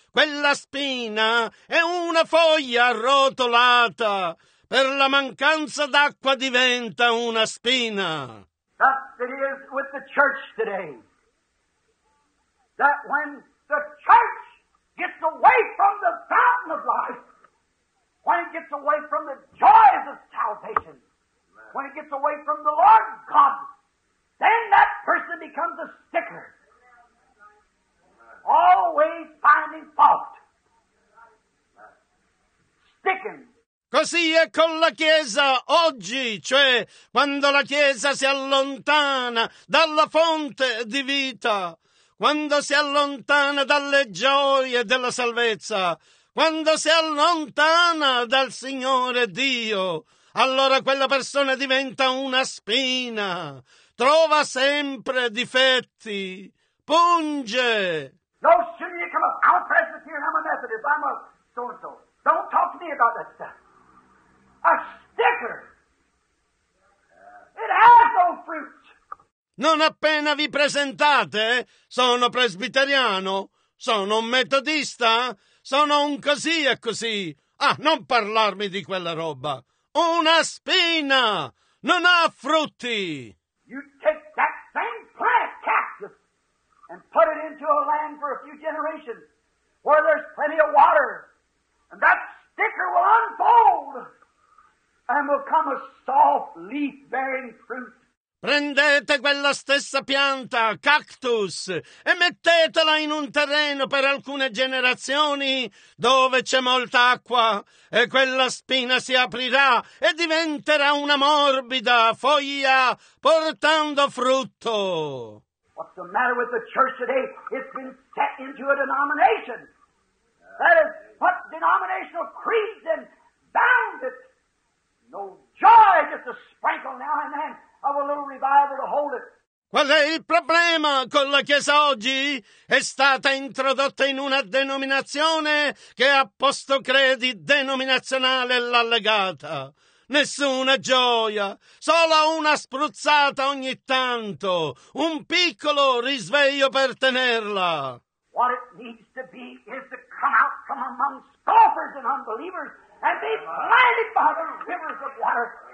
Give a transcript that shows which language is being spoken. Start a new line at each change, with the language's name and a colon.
Italian: Quella spina è una foglia arrotolata. Per la mancanza d'acqua diventa una spina.
English: Thus it is with the church today. That when the church gets away from the fountain of life, when it gets away from the joys of salvation, when it gets away from the Lord God, then that person becomes a sticker, always finding fault, sticking.
Italian: Così è con la Chiesa oggi, cioè quando la Chiesa si allontana dalla fonte di vita. Quando si allontana dalle gioie della salvezza, quando si allontana dal Signore Dio, allora quella persona diventa una spina, trova sempre difetti, punge.
English: No, shouldn't you come up? I'm a Presbyterian, I'm a Methodist, I'm a so-and-so. Don't talk to me about that stuff. A sticker. It has no fruit.
Italian: Non appena vi presentate, sono presbiteriano, sono un metodista, sono un così e così. Ah, non parlarmi di quella roba. una spina, non ha frutti.
English: You take that same plant cactus and put it into a land for a few generations where there's plenty of water, and that sticker will unfold and will come a soft leaf-bearing fruit.
Italian: Prendete quella stessa pianta, cactus, e mettetela in un terreno per alcune generazioni dove c'è molta acqua, e quella spina si aprirà e diventerà una morbida foglia portando frutto.
English: What's the matter with the church today? It's been set into a denomination. That is what denominational creeds and bound it. No joy, just a sprinkle now and then. Have a little revival to hold it.
Italian: Qual è il problema con la Chiesa oggi? È stata introdotta in una denominazione che ha posto credi denominazionale l'allegata. Nessuna gioia, solo una spruzzata ogni tanto, un piccolo risveglio per tenerla.
English: What it needs to be is to come out from among scoffers and unbelievers and be planted by the rivers of water.